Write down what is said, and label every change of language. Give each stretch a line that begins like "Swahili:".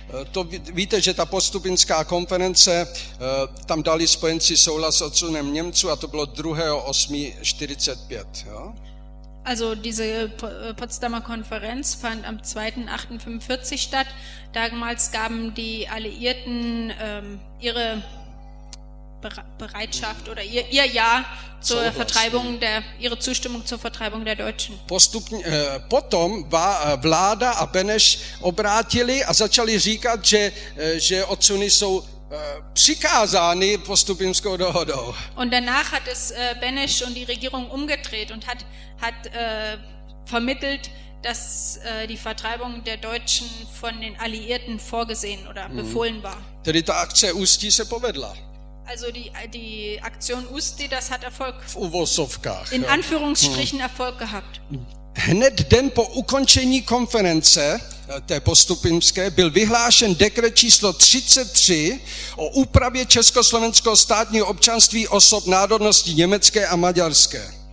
Czech: To víte, že ta postupinská konference, tam dali spojenci souhlas s odsunem Němců a to bylo 2.8.45, jo?
German: Also diese Potsdamer Konferenz fand am 2.8.45 statt. Damals gaben die Alliierten ihre Bereitschaft oder ihr Ja zur Vertreibung der ihre Zustimmung zur Vertreibung der Deutschen.
Czech: Potom war vláda a Beneš obrátili a začali říkat, že odsuny jsou přikázány postupimskou dohodou.
German: Und danach hat es Beneš und die Regierung umgedreht und hat vermittelt, dass die Vertreibung der Deutschen von den Alliierten vorgesehen oder befohlen war.
Czech: Tedy ta akce Ústí se povedla.
German: Also die Aktion Ústí, das hat Erfolg.
Czech: V uvozovkách.
German: In Anführungsstrichen Erfolg gehabt.
Czech: Hned den po ukončení konference, té postupimské, byl vyhlášen dekret číslo 33 o úpravě československého státního občanství osob národnosti německé a maďarské.